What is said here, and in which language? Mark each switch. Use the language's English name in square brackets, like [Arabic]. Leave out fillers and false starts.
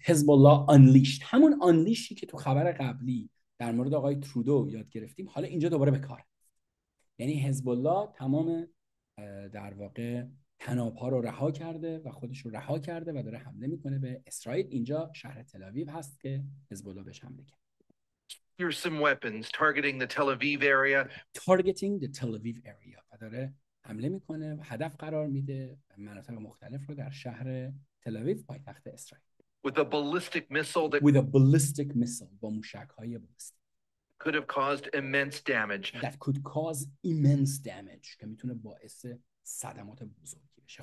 [Persian] Hezbollah unleashed، همون unleashی که تو خبر قبلی در مورد آقای ترودو یاد گرفتیم، حالا اینجا دوباره به کار، یعنی Hezbollah تمام در واقع تناب‌ها رو رها کرده و خودش رو رها کرده و داره حمله میکنه به اسرائیل. اینجا شهر تل آویو هست که Hezbollah بهش حمله کرد. [English] Here's some weapons targeting the Tel Aviv area. Targeting the Tel Aviv area، [Persian] داره حمله میکنه و هدف قرار میده مناطق مختلف رو در شهر تل آویو، پایتخت اسرائیل. [English] With a ballistic missile that with a ballistic missile، [Persian] با موشک های بالستیک، [English] could have caused immense damage، that could cause immense damage، [Persian] که میتونه باعث صدمات بزرگی بشه.